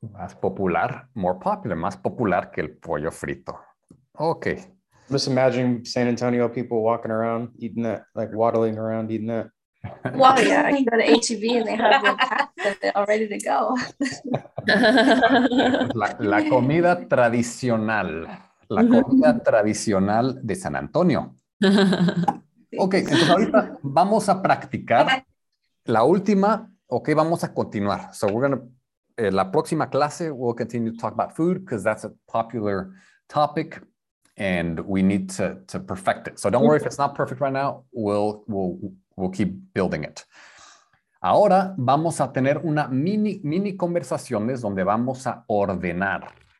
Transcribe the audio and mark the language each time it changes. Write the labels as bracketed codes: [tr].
[es] Más popular, [en] more popular, [es] más popular que el pollo frito. [en] Okay. I'm just imagining San Antonio people walking around eating that, like waddling around eating that. Well, yeah, you go to HEB and they have the pack all ready to go. [es] La comida tradicional. La comida tradicional de San Antonio. Okay, entonces ahorita vamos a practicar la última. Okay, vamos a continuar. [en] So we're going to. [es] La próxima clase, [en] we'll continue to talk about food because that's a popular topic and we need to perfect it. So don't worry if it's not perfect right now. We'll keep building it. [es] Ahora vamos a tener una mini conversaciones donde vamos a ordenar.